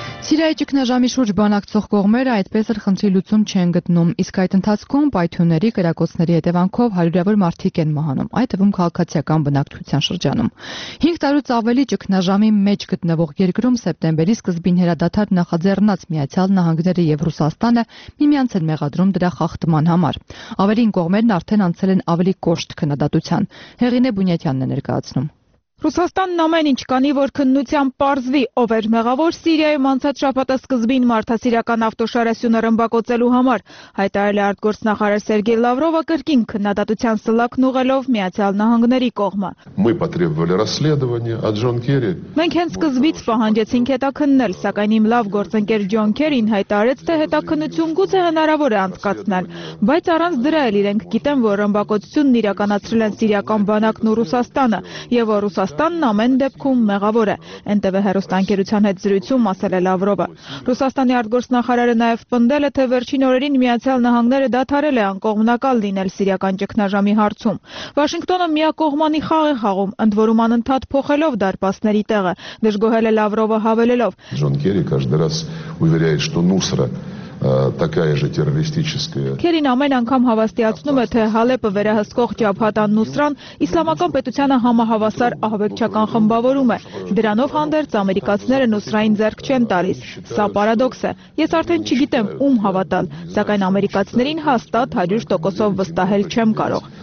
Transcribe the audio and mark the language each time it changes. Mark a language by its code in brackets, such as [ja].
[hy] Սիրիայի ճգնաժամի շուրջ բանակցող կողմերը այդպես էլ խնդրի լուծում չեն գտնում, իսկ այդ ընթացքում պայթյունների կրակոցների հետևանքով հարյուրավոր մարդիկ են մահանում, այդ թվում քաղաքացիական բնակչության շրջանում։ 5 տարուց ավելի ճգնաժամի մեջ գտնվող երկրում սեպտեմբերի սկզբին հրադադար նախաձեռնած Միացյալ Նահանգները եւ Ռուսաստանը միմյանց են մեղադրում դրա խախտման համար։ Ավելին, կողմերն արդեն անցել են ավելի կոշտ քննադատության։ Հեղինե Բունյատյանն է ներկայացնում։ Ռուսաստանն ամեն ինչ կանի, որ քննությամբ պարզվի, ով էր մեղավոր Սիրիայում անցած շաբաթը սկզբին մարդասիրական ավտոշարասյունը ռմբակոծելու համար, հայտարարել է արտգործնախարար Սերգեյ Լավրովը կրկին քննադատության սլակն ուղղելով Միացյալ Նահանգների կողմը։ [ru] Мы потребовали расследование от Джон Керри։ [hy] Մենք հենց սկզբից պահանջեցինք հետաքննել, սակայն իմ լավ գործընկեր Ջոն Քերին հայտարարեց, թե հետաքննություն գուցե հնարավոր է անցկացնել, բայց առանց դրա էլ իրենք գիտեն, որ ռմբակոծությունն իրականացրել են սիրիական բանակն ու Ռուսաստանը, եւ որ Ռուսաստանն ամեն դեպքում մեղավոր է, ՆՏՎ հերոստանգերության հետ զրույցում ասել է Լավրովը։ Ռուսաստանի արտգործնախարարը նաև պնդել է, թե վերջին օրերին Միացյալ Նահանգները դադարել է անկողմնակալ լինել սիրիական ճգնաժամի հարցում։ Վաշինգտոնը միակողմանի խաղ է խաղում, ընդ որում անընդհատ փոխելով դարպասների տեղը, դժգոհել է Լավրովը հավելելով. [ru] Ջոն Քերրի каждый раз уверяет, что Нусра такая же террористическая. [hy] Քերին ամեն անգամ հավաստիացնում է, թե Հալեպը վերահսկող ջափհատան Նուսրան իսլամական պետությանը համահավասար ահաբեկչական խմբավորում է։ Դրանով հանդերձ ամերիկացիները Նուսրային ձեռք չեն տալիս։ Սա պարադոքս է։ Ես արդեն չգիտեմ ում հավատալ, սակայն ամերիկացիներին հաստատ 100%-ով վստահել չեմ կարող։